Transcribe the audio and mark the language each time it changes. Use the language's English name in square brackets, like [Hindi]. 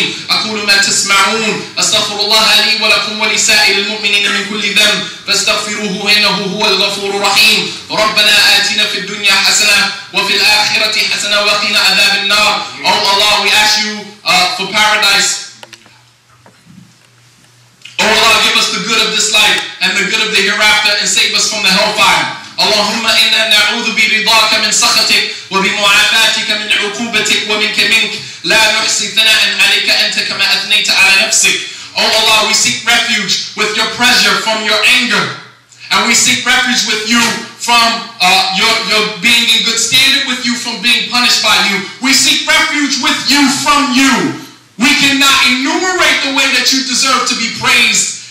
[Arabic] أقول ما تسمعون أستغفر الله لي ولكم ولسائر المؤمنين من كل ذنب فاستغفروه إنه هو الغفور الرحيم ربنا آتنا في الدنيا حسنة وفي الآخرة حسنة وقنا عذاب النار. [English] Oh Allah, we ask you for paradise. Oh Allah, give us the good of this life and the good of the hereafter and save us from the hellfire. [Arabic] اللهم إنا نعوذ برضاك من سخطك وبمعافاتك من عقوبتك ومنك منك لا نحصي ثناء عليك أنت كما أثنيت على نفسك. [English] Oh Allah, we seek refuge with your pressure from your anger, and we seek refuge with you from your being in good standing with you from being punished by you. We seek refuge with you from you. We cannot enumerate the way that you deserve to be praised.